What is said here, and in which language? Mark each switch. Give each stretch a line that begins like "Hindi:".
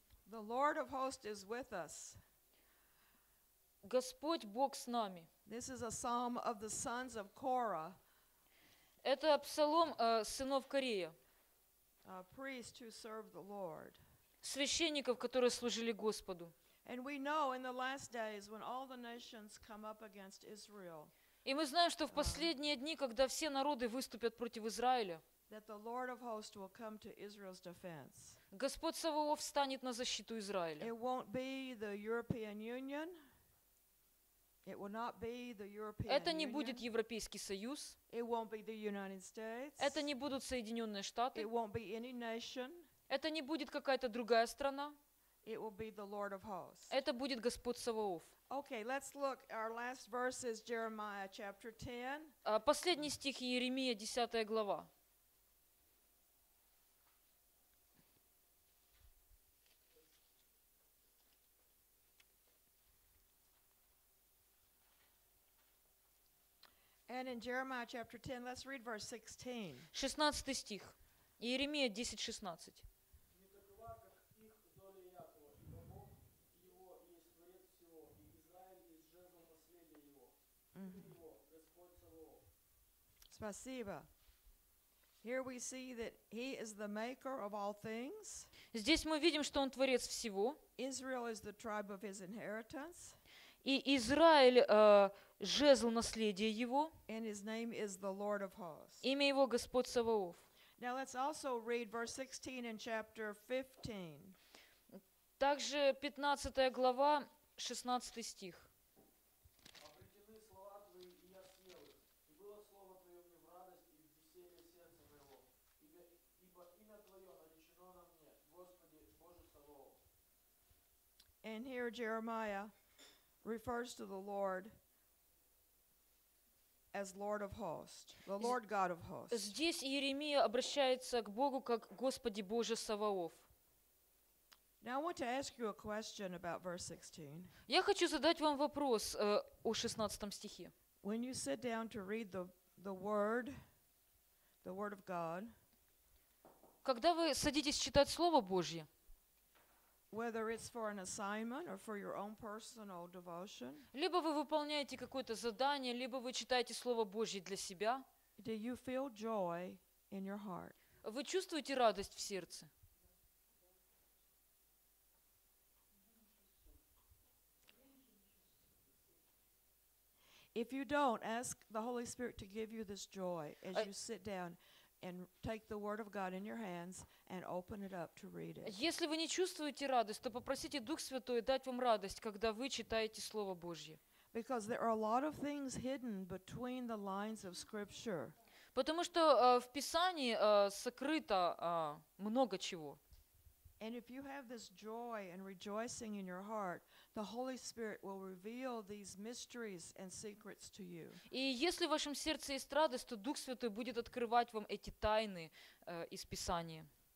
English: The Lord of hosts is with us.
Russian: Господь Бог с нами.
English: This is a psalm of the sons of Korah.
Russian: Это псалом сынов Корея.
English: A priest who served the Lord.
Russian: Священников, которые служили Господу.
English: And we know in the last days when all the nations come up against Israel.
Russian: И мы знаем, что в последние дни, когда все народы выступят против Израиля,
English: that the Lord of hosts will come to Israel's defense.
Russian: Господь Саваоф встанет на защиту Израиля.
English: It won't be the European Union. It will not be the European Union.
Russian: Это не будет Европейский Союз.
English: It won't be the United States.
Russian: Это не будут Соединенные Штаты.
English: It won't be any nation.
Russian: Это не будет какая-то другая страна.
English: It will be the Lord of hosts.
Russian: Это будет Господь Саваоф.
English: Okay, let's look. Our last verse is Jeremiah chapter 10.
Russian: Последний стих Иеремия, 10 глава.
English: And in Jeremiah chapter 10, let's read verse 16.
Russian: 16 стих. Иеремия 10:16. Спасибо.
English: Here we see that he is the maker of all things.
Russian: Здесь мы видим, что он творец всего.
English: Israel is the tribe of his inheritance.
Russian: И Израиль жезл наследия его.
English: And his name is the Lord of hosts.
Russian: Имя его Господь Саваоф.
English: Now let's also read verse 16 in chapter 15.
Russian: Также 15 глава, 16 стих.
English: And here Jeremiah refers to the Lord as Lord of hosts, the Lord God of hosts.
Russian: Здесь Иеремия обращается к Богу как Господи Боже Саваоф.
English: Now I want to ask you a question about verse 16.
Russian: Я хочу задать вам вопрос о 16 стихе.
English: When you sit down to read the word of God,
Russian: когда вы садитесь читать Слово Божье,
English: whether it's for an assignment or for your own personal devotion,
Russian: либо вы выполняете какое-то задание, либо вы читаете Слово Божье для себя,
English: do you feel joy in your heart?
Russian: Вы чувствуете радость в сердце?
English: If you don't, ask the Holy Spirit to give you this joy as you sit down and take the word of God in your hands and open it up to read it.
Russian: Если вы не чувствуете радость, то попросите Дух Святой дать вам радость, когда вы читаете Слово Божье.
English: Because there are a lot of things hidden between the lines of scripture.
Russian: Потому что в Писании сокрыто много чего.
English: And if you have this joy and rejoicing in your heart, the Holy Spirit will reveal these mysteries and secrets to you.
Russian: И если в вашем сердце есть радость, то Дух Святой будет открывать вам эти тайны из Писания.